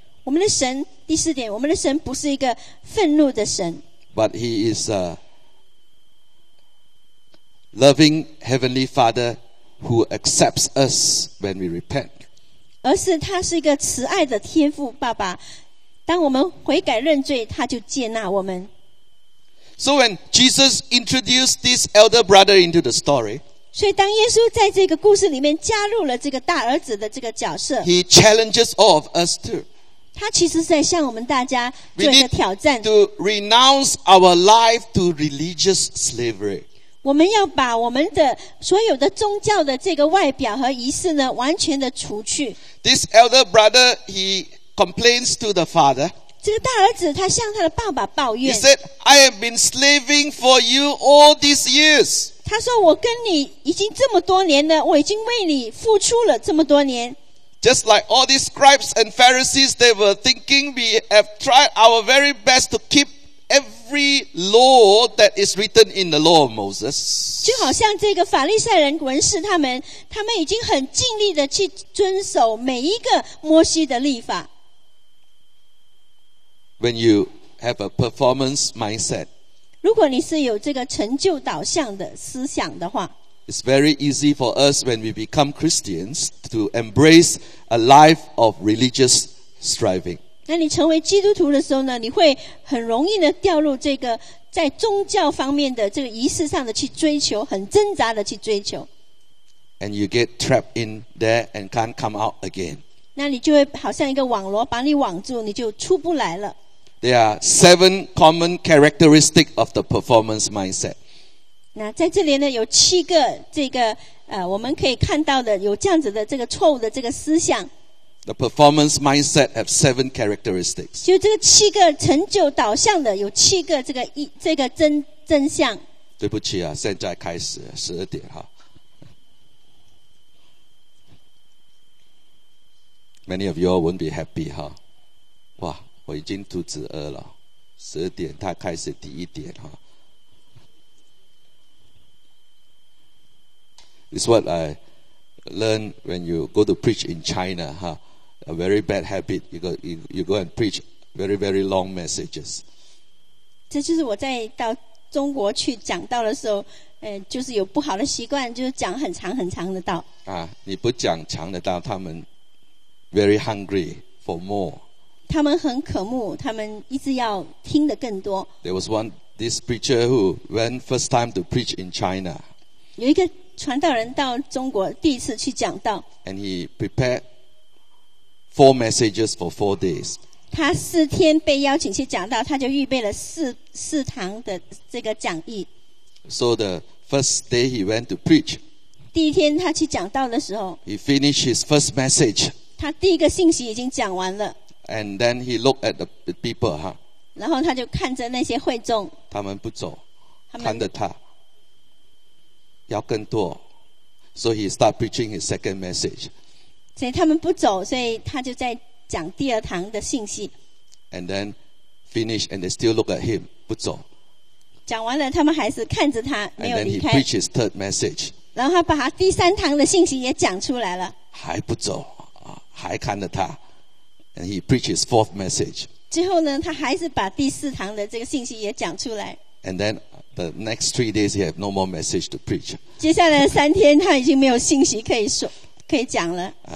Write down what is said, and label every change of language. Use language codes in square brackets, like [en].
[zh] 我们的神第四点，我们的神不是一个愤怒的神。 [en] But he is a Loving Heavenly Father who accepts us when we repent. [zh] 而是他是一个慈爱的天父爸爸，当我们悔改认罪，他就接纳我们。 [en] So when Jesus introduced this elder brother into the story, [zh] 所以当耶稣在这个故事里面加入了这个大儿子的这个角色， [en] He challenges all of us too. [zh] 他其实是在向我们大家做一个挑战。 [en] We need to renounce our life to religious slavery. [zh] 我们要把我们的所有的宗教的这个外表和仪式呢，完全的除去。 [en] This elder brother, he complains to the father. [zh] 这个大儿子他向他的爸爸抱怨。 [en] He said, "I have been slaving for you all these years." [zh] 他说我跟你已经这么多年了，我已经为你付出了这么多年。 [en] Just like all these scribes and Pharisees, they were thinking we have tried our very best to keep every law that is written in the law of Moses. [zh] 就好像这个法利赛人文士他们已经很尽力的去遵守每一个摩西的律法。 [en] When you have a performance mindset, [zh] 如果你是有这个成就导向的思想的话， [en] it's very easy for us when we become Christians to embrace a life of religious striving. [zh] 那你成为基督徒的时候呢，你会很容易的掉入这个在宗教方面的这个仪式上的去追求，很挣扎的去追求。 [en] And you get trapped in there and can't come out again. [zh] 那你就会好像一个网罗把你网住，你就出不来了。 [en] There are seven common characteristics of the performance mindset. [zh] 那在这里呢，有七个这个我们可以看到的有这样子的这个错误的这个思想。 [en] The performance mindset have seven characteristics. [zh] 就这个七个成就导向的有七个这个真相。对不起啊，现在开始十二点哈。 [en] Many of you all won't be happy, huh? [zh] 哇，我已经肚子饿了。十点，他开始第一点哈。 [en] It's what I learned when you go to preach in China, huh? A very bad habit. You go and preach very, very long messages. [zh] 这就是我在到中国去讲道的时候，就是有不好的习惯，就是讲很长很长的道。啊，你不讲长的道，他们。 [en] Very hungry for more. [zh] 他们很渴慕，他们一直要听得更多。 [en] There was one this preacher who went first time to preach in China. [zh] 有一个传道人到中国第一次去讲道。 [en] And he prepared four messages for 4 days. [zh] 他四天被邀请去讲道，他就预备了四堂的这个讲义。 [en] So the first day he went to preach. [zh] 第一天他去讲道的时候。 [en] He finished his first message. [zh] 他第一个信息已经讲完了。 [en] And then he looked at the people, huh? [zh] 然后他就看着那些会众。他们不走，看着他，要更多。 [en] So he started preaching his second message. [zh] 所以他们不走，所以他就在讲第二堂的信息。 [en] And then finished, and they still look at him, [zh] 不走。讲完了，他们还是看着他，没有离开。 [en] And then he preached his third message. [zh] 然后他把他第三堂的信息也讲出来了。还不走。还看着他 [en] and he preached his fourth message. [zh] 最后呢，他还是把第四堂的这个信息也讲出来。 [en] And then the next 3 days he had no more message to preach. [zh] 接下来的三天他已经没有信息可以讲了。